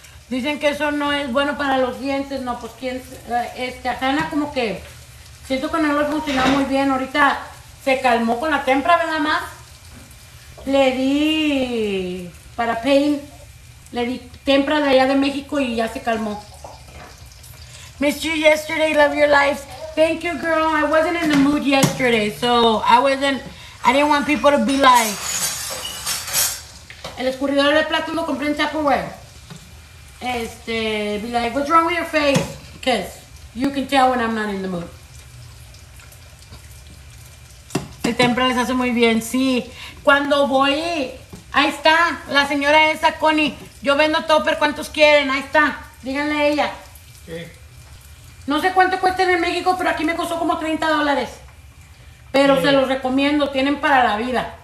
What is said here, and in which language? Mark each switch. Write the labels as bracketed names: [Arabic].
[Spanish] dicen que eso no es bueno para los dientes. No, pues quién... a Hannah como que... siento que no lo ha funcionado muy bien. Ahorita se calmó con la tempra, ¿verdad, más? Le di... para pain, le di tempra de allá de México y ya se calmó. [English] Missed you yesterday, love your life. Thank you, girl. I wasn't in the mood yesterday, so I didn't want people to be like. [Spanish] El escurridor de plato lo compré en Tupperware. [English] Be like, what's wrong with your face? Because you can tell when I'm not in the mood. [Spanish] El tempra les hace muy bien, sí. Cuando voy. Ahí está, la señora esa, Connie. Yo vendo topper, ¿cuántos quieren? Ahí está, díganle a ella. ¿Qué? No sé cuánto cuesta en México, pero aquí me costó como $30. Pero sí, se los recomiendo, tienen para la vida.